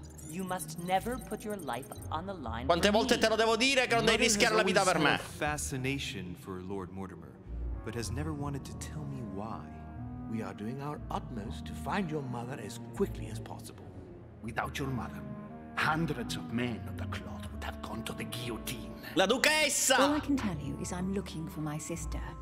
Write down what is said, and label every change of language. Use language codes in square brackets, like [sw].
[en] You must never put your life on the line. [it] Quante volte te lo devo dire che non devi rischiare la vita per me? [en] Fascination for Lord Mortimer. But has never wanted to tell me why. We are doing our utmost to find your mother as quickly as possible. Without your mother, hundreds of men of the cloth would have gone to the guillotine. [it] La duchessa! [en] All I can tell you is I'm looking for my sister.